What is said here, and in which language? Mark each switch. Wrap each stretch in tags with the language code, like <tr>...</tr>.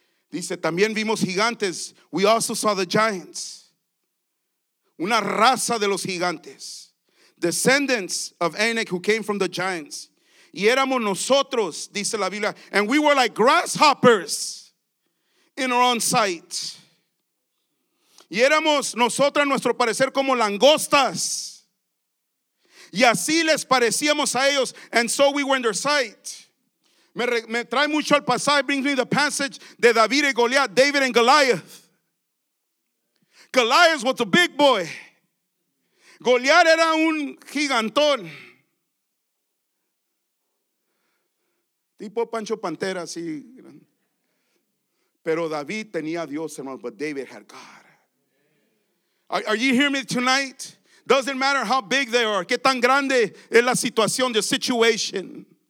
<es>Dice, también vimos gigantes.</es> <en>We also saw the giants.</en> <es>Una raza de los gigantes.</es> <en>Descendants of Anak who came from the giants.</en> <es>Y éramos nosotros, dice la Biblia.</es> <en>And we were like grasshoppers in our own sight.</en> <es>Y éramos nosotros, a nuestro parecer, como langostas. Y así les parecíamos a ellos,</es> <en>and so we were in their sight.</en> <es>Me trae mucho al pasaje,</es> <en>brings me the passage</en> <es>de David y Goliath,</es> <en>David and Goliath. Goliath was a big boy.</en> <es>Goliath era un gigantón. Tipo Pancho Pantera, sí. Pero David tenía Dios, hermano,</es> <en>but David had God. Are you hearing me tonight? Doesn't matter how big they are.</en> <es>Qué tan grande es la situación,</es> <en>the situation.</en>